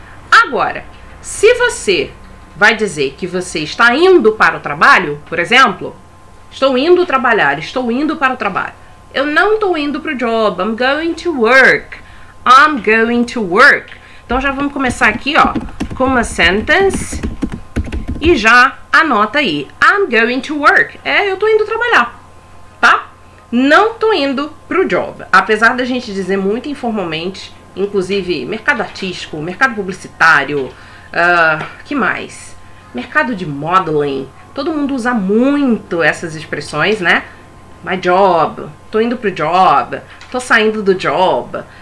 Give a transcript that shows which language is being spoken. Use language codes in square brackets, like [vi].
[pt] Agora, se você vai dizer que você está indo para o trabalho, por exemplo, estou indo trabalhar, estou indo para o trabalho. Eu não estou indo para o job, [en] I'm going to work. I'm going to work. [pt] Então, já vamos começar aqui, ó, com uma sentence. E já anota aí, [en] I'm going to work. [pt] É, eu estou indo trabalhar, tá? Não estou indo para o job. Apesar da gente dizer muito informalmente, inclusive mercado artístico, mercado publicitário, que mais? Mercado de modeling. Todo mundo usa muito essas expressões, né? My job, tô indo pro job, tô saindo do job.